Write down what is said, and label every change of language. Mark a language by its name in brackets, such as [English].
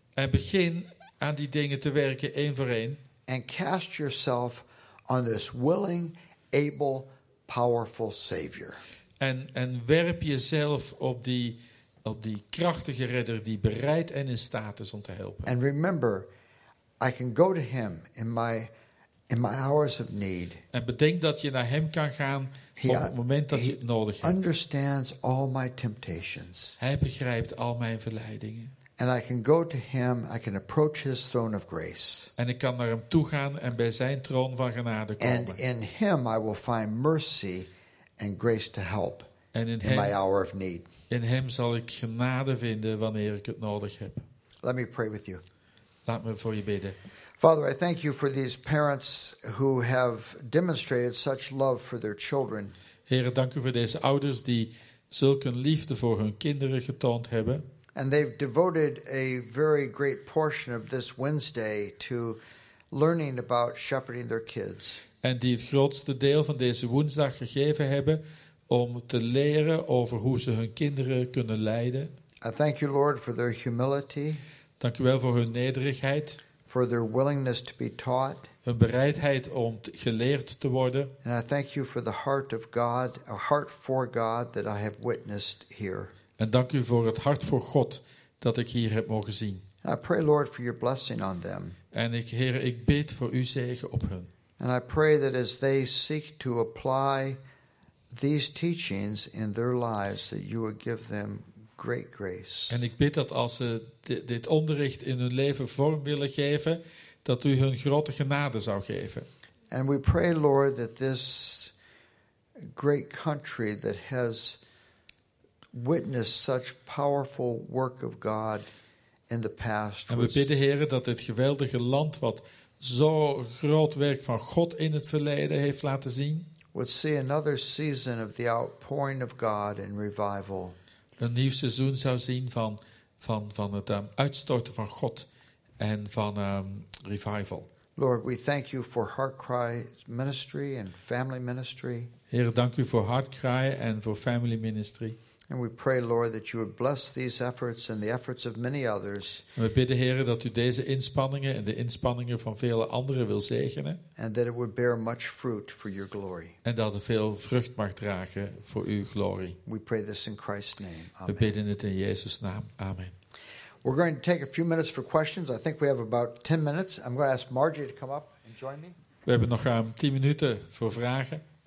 [Dutch] En begin aan die dingen te werken één voor één. [English] And cast yourself on this willing, able, powerful Savior. [Dutch] En werp jezelf op die krachtige redder die bereid en in staat is om te helpen. [English] And remember, I can go to him in my hours of need. [Dutch] En bedenk dat je naar hem kan gaan op het moment dat je het nodig hebt. [English] He understands all my temptations. [Dutch] Hij begrijpt al mijn verleidingen. [English] And I can go to him, I can approach his throne of grace. [Dutch] En ik kan naar hem toe gaan en bij zijn troon van genade komen. [English] And in him I will find mercy and grace to help in [Dutch] hem, [English] my hour of need. [Dutch] In hem zal ik genade vinden wanneer ik het nodig heb. [English] Let me pray with you. [Dutch] Laat me voor je bidden. [English] Father, I thank you for these parents who have demonstrated such love for their children. [Dutch] Heere, dank u voor deze ouders die zulke liefde voor hun kinderen getoond hebben. [English] And they've devoted a very great portion of this Wednesday to learning about shepherding their kids. [Dutch] En die het grootste deel van deze woensdag gegeven hebben om te leren over hoe ze hun kinderen kunnen leiden. [English] I thank you, Lord, for their humility. [Dutch] Dank u wel voor hun nederigheid. [English] For their willingness to be taught. [Dutch] Hun bereidheid om geleerd te worden. [English] And I thank you for the heart of God, a heart for God that I have witnessed here. [Dutch] En dank u voor het hart voor God dat ik hier heb mogen zien. [English] And I pray, Lord, for your blessing on them. [Dutch] En ik, Heere, ik bid voor uw zegen op hen. [English] And I pray that as they seek to apply these teachings in their lives, that you would give them great grace. [Dutch] En ik bid dat als ze dit onderricht in hun leven vorm willen geven, dat u hun grote genade zou geven. [English] And we pray, Lord, that this great country that has witnessed such powerful work of God in the past. [Dutch] En we bidden, Heere, dat dit geweldige land wat zo groot werk van God in het verleden heeft laten zien. [English] We'll see another season of the outpouring of God in revival. [Dutch] Een nieuw seizoen zou zien van het uitstorten van God en van revival. [English] Lord, we thank you for Heartcry ministry and family ministry. [Dutch] Heer, dank u voor Heartcry en voor family ministry. [English] And we pray, Lord, that you would bless these efforts and the efforts of many others. [Dutch] En we bidden, Heer, dat u deze inspanningen en de inspanningen van vele anderen wil zegenen. [English] And that it would bear much fruit for your glory. [Dutch] En dat het veel vrucht mag dragen voor uw glorie. [English] We pray this in Christ's name. Amen. [Dutch] We bidden het in Jezus naam. Amen. [English] We're going to take a few minutes for questions. I think we have about 10 minutes. I'm going to ask Margie to come up and join me. [Dutch] We hebben nog 10 minuten voor vragen.